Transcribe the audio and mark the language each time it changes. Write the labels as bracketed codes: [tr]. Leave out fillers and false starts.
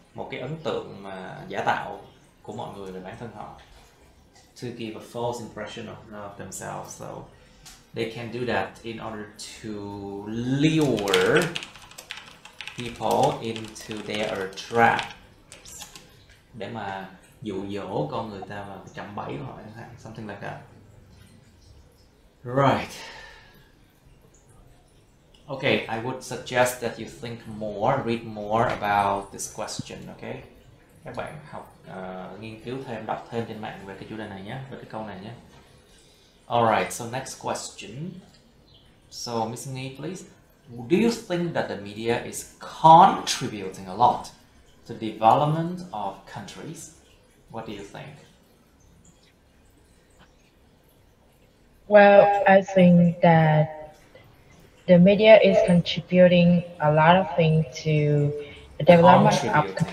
[vi] Một cái ấn tượng mà giả tạo của mọi người về bản thân họ. [en] To give a false impression of themselves. So they can do that in order to lure people into their traps. [vi] Để mà dụ dỗ con người ta vào cái trạm bẫy của họ, [en] something like that. Right. Okay, I would suggest that you think more, read more about this question, okay? [vi] Các bạn học nghiên cứu thêm, đọc thêm trên mạng về cái chủ đề này nhé, về cái câu này nhé. [en] Alright, so next question. So, Miss Nghi, please. Do you think that the media is contributing a lot to the development of countries? What do you think? Well, I think that the media is contributing a lot of things to the development